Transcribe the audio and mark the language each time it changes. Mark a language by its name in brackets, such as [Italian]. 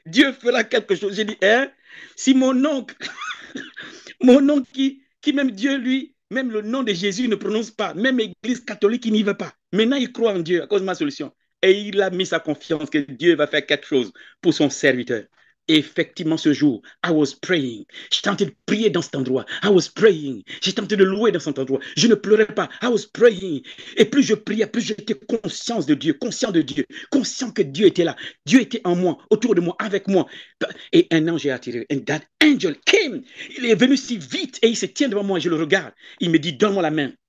[French] Dieu fera quelque chose. J'ai dit, hein? Si mon oncle, mon oncle qui même Dieu, lui, même le nom de Jésus, ne prononce pas. Même l'église catholique, il n'y veut pas. Maintenant, il croit en Dieu à cause de ma solution. Et il a mis sa confiance que Dieu va faire quelque chose pour son serviteur. Et effectivement, ce jour, [English] I was praying. [French] J'étais en train de prier dans cet endroit. [English] I was praying. [French] J'étais en train de louer dans cet endroit. Je ne pleurais pas. I was praying. Et plus je priais, plus j'étais conscient de Dieu, conscient de Dieu, conscient que Dieu était là. Dieu était en moi, autour de moi, avec moi. Et un ange est attiré. [English] And that angel came. [French] Il est venu si vite et il se tient devant moi et je le regarde. Il me dit, donne-moi la main.